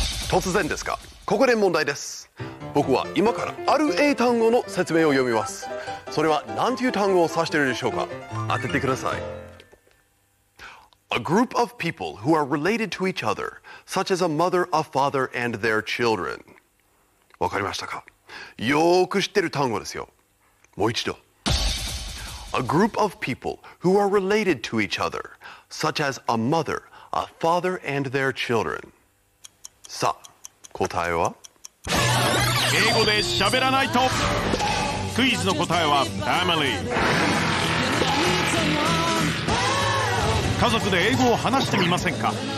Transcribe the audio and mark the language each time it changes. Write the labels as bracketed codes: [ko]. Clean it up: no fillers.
[ja] 突然ですが、ここで問題です。僕は今からある英単語の説明を読みます。それは何という単語を指しているでしょうか。当ててください。 [en] A group of people who are related to each other, such as a mother, a father, and their children. [ja] わかりましたか。よく知ってる単語ですよ。もう一度。 [en] A group of people who are related to each other, such as a mother, a father, and their children. [ja] さあ、答えは？英語でしゃべらナイト。クイズの答えは Family。家族で英語を話してみませんか。